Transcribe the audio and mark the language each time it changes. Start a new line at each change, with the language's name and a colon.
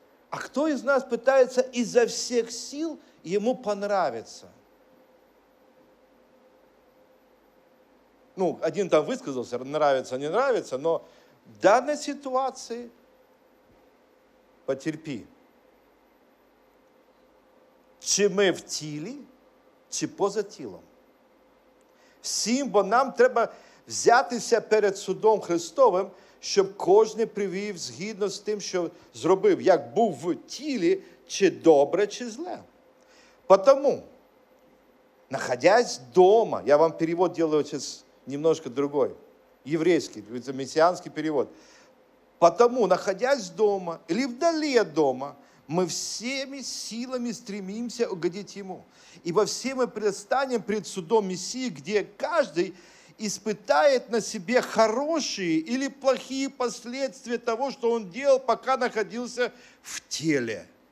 Russian: А кто из нас пытается изо всех сил ему понравиться? Ну, один там высказался, нравится, не нравится, но в данной ситуации потерпи.
Ukrainian: Чи мы в тілі, чи поза тілом. Всім, бо нам треба взятися перед судом Христовим, щоб кожен привів згідно з тим, що зробив, як був в тілі, чи добре, чи зле.
Russian: Потому, находясь дома, я вам перевод делаю сейчас немножко другой, єврейський, це месіанський перевод. Потому, находясь дома, или вдалі от дома, мы всеми силами стремимся угодить Ему. Ибо все мы предстанем пред судом Мессии, где каждый испытает на себе хорошие или плохие последствия того, что он делал, пока находился в теле.